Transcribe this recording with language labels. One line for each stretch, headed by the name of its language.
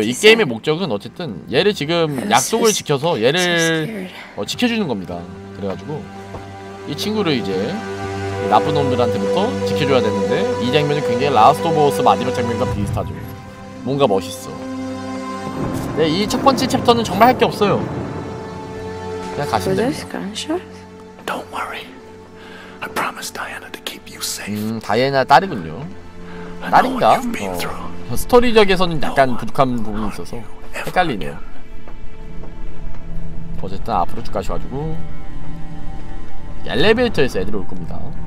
Korean: 이 게임의 목적은 어쨌든 얘를 지금 약속을 지켜서 얘를 지켜주는 겁니다. 그래가지고 이 친구를 이제 나쁜 놈들한테부터 지켜줘야 되는데 이 장면은 굉장히 라스트 오브 어스 마지막 장면과 비슷하죠. 뭔가 멋있어. 네, 이 첫 번째 챕터는 정말 할 게 없어요. 그냥 가시면 됩니다.
English: Don't worry. I promise Diana to keep you safe.
Korean: 다이애나 딸이군요. 딸인가? 스토리적에서는 약간 부족한 부분이 있어서 헷갈리네요. 어쨌든 앞으로 쭉 가셔가지고 엘리베이터에서 애들이 올 겁니다.